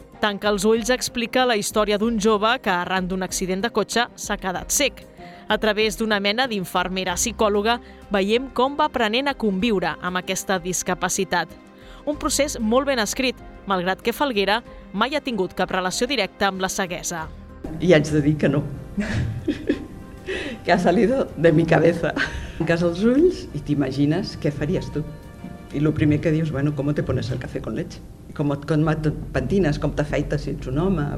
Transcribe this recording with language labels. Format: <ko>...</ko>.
<ca>Tanca els ulls explica la història d'un jove que, arran d'un accident de cotxe, s'ha quedat cec. A través d'una mena d'infermera psicòloga, veiem com va aprenent a conviure amb aquesta discapacitat. Un procés molt ben escrit, malgrat que Falguera mai ha tingut cap relació directa amb la ceguesa. I haig de dir que no.</ca> <es>Que ha salido de mi cabeza.</es> <ca>Tanques els ulls i t'imagines què faries tu. I el primer que dius,</ca> <es>bueno, ¿cómo te pones el café con leche? ¿Cómo te pentines?</es> <ca>¿Cómo te afeites si ets un home?</ca>